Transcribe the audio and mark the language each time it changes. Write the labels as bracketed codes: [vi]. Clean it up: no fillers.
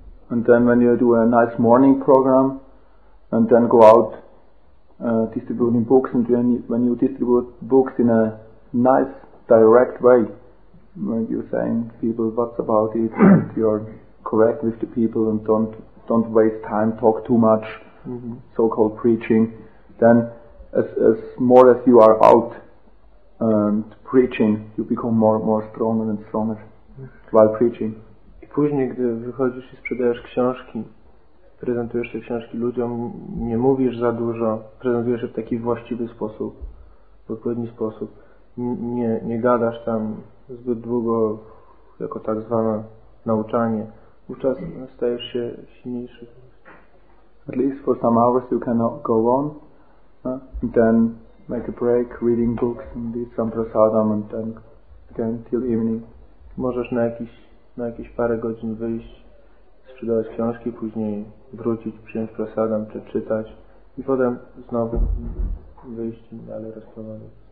[en] And then when you do a nice morning program and then go out distributing books, and when you distribute books in a nice direct way, when you're saying people what's about it, and you're correct with the people and don't waste time, talk too much, so-called preaching, then as more as you are out and preaching, you become more and more stronger and stronger while preaching. [pl] I później, gdy wychodzisz i sprzedajesz książki, prezentujesz te książki ludziom, nie mówisz za dużo, prezentujesz je w taki właściwy sposób, w odpowiedni sposób, nie gadasz tam zbyt długo jako tak zwane nauczanie, wówczas stajesz się silniejszy. [en] At least for some hours you can go on, and then make a break, reading books, and eat some prasadam, and then again till evening. [pl] Możesz na jakieś parę godzin wyjść, sprzedawać książki, później wrócić, przyjąć prasadam, czy czytać, i potem znowu wyjść i dalej rozprowadzić.